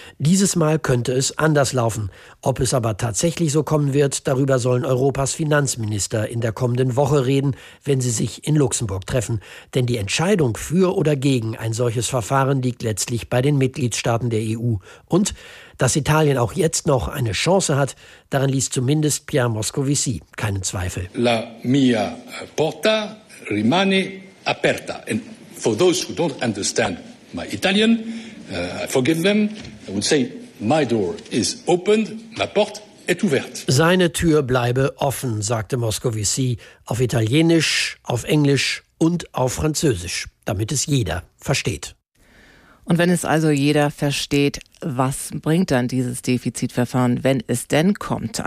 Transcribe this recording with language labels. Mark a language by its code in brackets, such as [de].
[de] Dieses Mal könnte es anders laufen. Ob es aber tatsächlich so kommen wird, darüber sollen Europas Finanzminister in der kommenden Woche reden, wenn sie sich in Luxemburg treffen. Denn die Entscheidung für oder gegen ein solches Verfahren liegt letztlich bei den Mitgliedstaaten der EU. Und dass Italien auch jetzt noch eine Chance hat, daran ließ zumindest Pierre Moscovici keinen Zweifel. [it] La mia porta rimane aperta. [en] And for those who don't understand my Italian, I forgive them. I would say my door is opened, [fr] ma porta est ouverte. [de] Seine Tür bleibe offen, sagte Moscovici auf Italienisch, auf Englisch und auf Französisch, damit es jeder versteht. Und wenn es also jeder versteht, was bringt dann dieses Defizitverfahren, wenn es denn kommt?